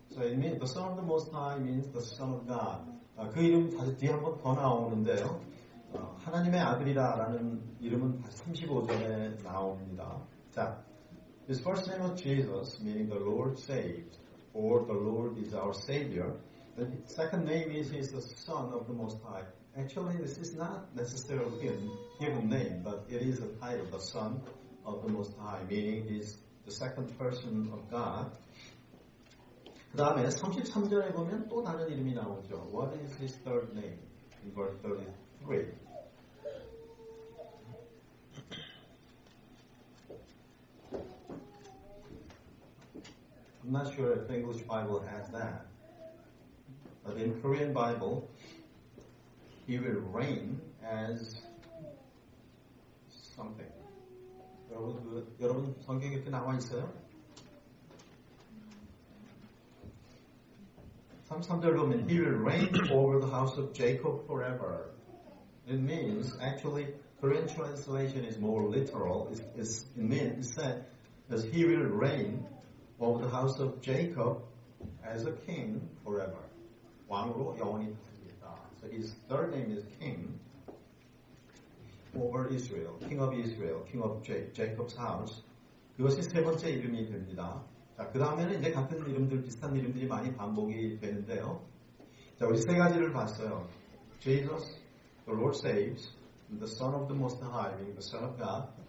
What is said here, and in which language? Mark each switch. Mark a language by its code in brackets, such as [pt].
[en] So it means the Son of the Most High means the Son of God. [ko] 그 이름 다시 뒤에 한 번 더 나오는데요. 하나님의 아들이라라는 이름은 다시 35절에 나옵니다. [en] 자, His first name was Jesus, meaning the Lord saved, or the Lord is our Savior. The second name is He is the Son of the Most High. Actually, this is not necessarily a given name, but it is the title, the Son of the Most High, meaning He is the second person of God. [ko] 그 다음에 33절에 보면 또 다른 이름이 나오죠. [en] What is his third name? In verse 33. I'm not sure if the English Bible has that. But in Korean Bible, he will reign as something. [ko] 여러분, 여러분 성경에 이렇게 나와 있어요? 33절로 보면 [en] He will reign over the house of Jacob forever. It means, actually, Korean translation is more literal. It means that He will reign over the house of Jacob as a king forever. [ko] 왕으로 영원히 다스리겠다. [en] So His third name is King over Israel. King of Israel, King of Jacob's house. [ko] 그것이 세 번째 이름이 됩니다. 자, 그 다음에는 이제 같은 이름들, 비슷한 이름들이 많이 반복이 되는데요. 자, 우리 세 가지를 봤어요. [en] Jesus, the Lord saves, the Son of the Most High, the Son of God.